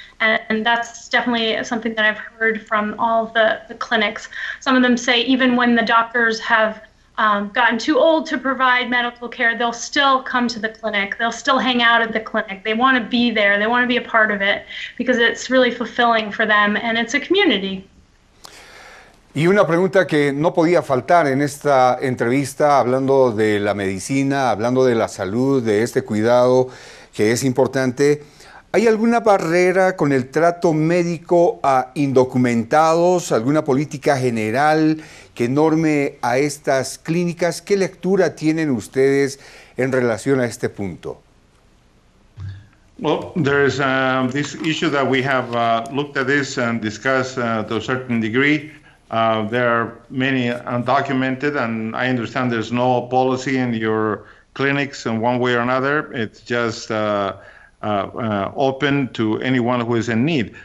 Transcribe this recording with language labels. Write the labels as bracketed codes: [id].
[en] And that's definitely something that I've heard from all of the clinics. Some of them say even when the doctors have gotten too old to provide medical care, they'll still come to the clinic. They'll still hang out at the clinic. They want to be there. They want to be a part of it because it's really fulfilling for them and it's a community. [es] Y una pregunta que no podía faltar en esta entrevista, hablando de la medicina, hablando de la salud, de este cuidado que es importante. ¿Hay alguna barrera con el trato médico a indocumentados? ¿Alguna política general que norme a estas clínicas? ¿Qué lectura tienen ustedes en relación a este punto? [en] Well, there is this issue that we have looked at this and discussed to a certain degree. There are many undocumented, and I understand there's no policy in your clinics in one way or another. It's just open to anyone who is in need.